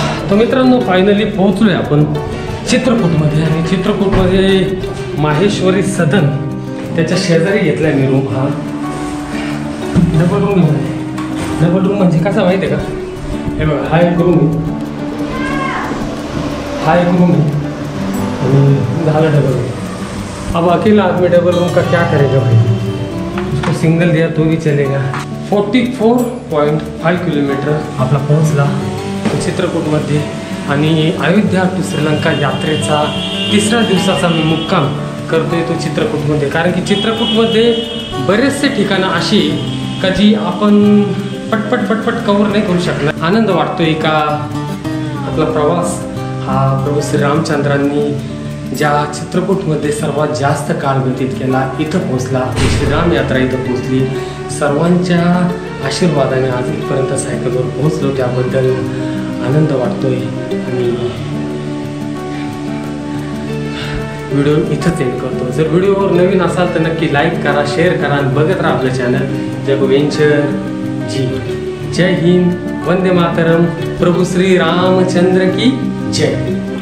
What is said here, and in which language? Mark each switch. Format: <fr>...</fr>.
<mr>तो मित्रांनो फायनली पोहोचलोय आपण चित्रकूटमध्ये, आणि चित्रकूटमध्ये माहेश्वरी सदन त्याच्या शेजारी घेतलाय मी रूम। हा डबल रूम आहे, डबल रूम म्हणजे कसा माहिती आहे का, हे बघा हा एक रूम आहे, हा एक रूम आहे आणि झाला डबल रूम।</mr> <hi>अब अकेला आदमी डबल रूम का क्या करेगा भाई, उसको सिंगल दिया तो भी चलेगा।</hi> <mr>44.5 किलोमीटर आपला पोहोचला चित्रकूटमध्ये, आणि अयोध्या टू श्रीलंका यात्रेचा तिसऱ्या दिवसाचा मी मुक्काम करतोय तो चित्रकूटमध्ये, कारण की चित्रकूटमध्ये बरेचसे ठिकाणं अशी का जी आपण पटपट पटपट कवर नाही करू शकणार। आनंद वाटतोय का आपला प्रवास हा प्रभू श्री रामचंद्रांनी ज्या चित्रकूटमध्ये सर्वात जास्त काळ व्यतीत केला इथं पोहोचला, श्रीराम यात्रा इथं पोहोचली, सर्वांच्या आशीर्वादाने आज इथपर्यंत सायकलवर पोहोचलो, त्याबद्दल आनंद वाटतोय। आणि व्हिडिओ इथंच एंड करतो, जर व्हिडिओवर नवीन असाल तर नक्की लाईक करा, शेअर करा आणि बघत राहा आपलं चॅनल जग वेंचर जी। जय हिंद, वंदे मातरम, प्रभू श्री रामचंद्र की जय।</mr>